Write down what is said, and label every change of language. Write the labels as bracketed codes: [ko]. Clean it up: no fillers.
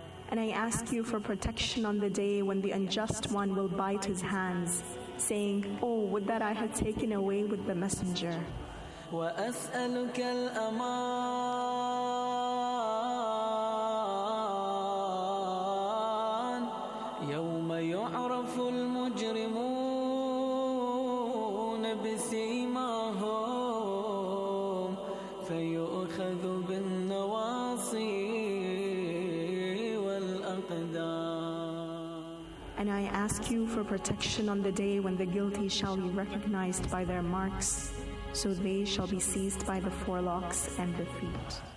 [en] And I ask you for protection on the day when the unjust one will bite his hands, saying, Oh, would that I had taken away with the messenger. [ar] وأسألك الأمان يوم يعرف المجرمون بسيماهم فيؤخذ بالنواصي والأقدام. [en] And I ask you for protection on the day when the guilty shall be recognized by their marks. So they shall be seized by the forelocks and the feet.